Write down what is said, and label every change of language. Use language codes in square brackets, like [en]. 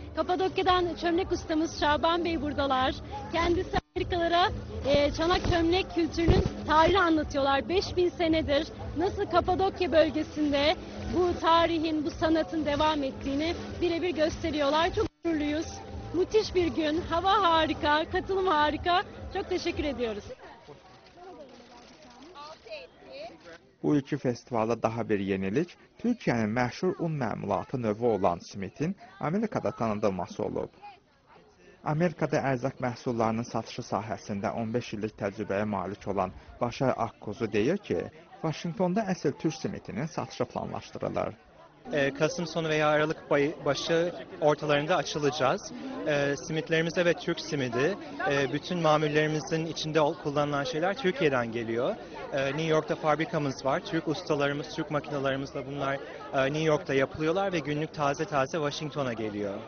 [tr] Kapadokya'dan çömlek ustamız Şaban Bey buradalar. Kendisi Amerikalara çanak çömlek kültürünün tarihini anlatıyorlar. 5000 senedir nasıl Kapadokya bölgesinde bu tarihin, bu sanatın devam ettiğini birebir gösteriyorlar. Çok gururluyuz. Müthiş bir gün. Hava harika, katılım harika. Çok teşekkür ediyoruz. [az] Bu iki festivalda daha bir yenilik, Türkiyənin məşhur un məmulatı növü olan simitin Amerikada tanıdılması olub. Amerikada ərzaq məhsullarının satışı sahəsində 15 illik təcrübəyə malik olan Başar Akkuzu deyir ki, Vaşinqtonda əsl Türk simitinin satışı planlaşdırılır. [tr] Kasım sonu veya Aralık başı ortalarında açılacağız. Simitlerimiz evet Türk simidi. Bütün mamullerimizin içinde kullanılan şeyler Türkiye'den geliyor. New York'ta fabrikamız var. Türk ustalarımız, Türk makinalarımızla bunlar New York'ta yapılıyorlar ve günlük taze taze Washington'a geliyor.